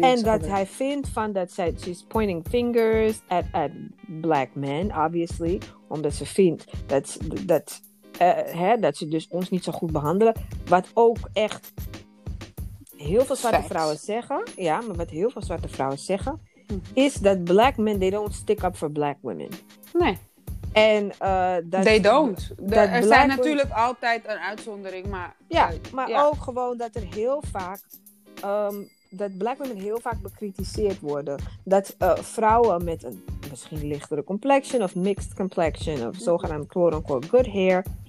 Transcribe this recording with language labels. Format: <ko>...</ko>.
<nl>En dat hij vindt van dat ze...</nl> <en>She's pointing fingers at black men, obviously.</en> <nl>Omdat ze vindt dat ze dus ons niet zo goed behandelen. Wat ook echt... heel veel zwarte vrouwen zeggen... ja, maar wat heel veel zwarte vrouwen zeggen... Mm-hmm. is dat</nl> <en>black men, they don't stick up for black women.</en> <nl>Nee. En</nl> <en>dat... They don't.</en> <nl>Er zijn natuurlijk altijd een uitzondering, maar... Ja, maar ook gewoon dat er heel vaak... dat black women heel vaak bekritiseerd worden. Dat vrouwen met een misschien lichtere complexion... of mixed complexion, of zogenaamd quote-unquote good hair...</nl>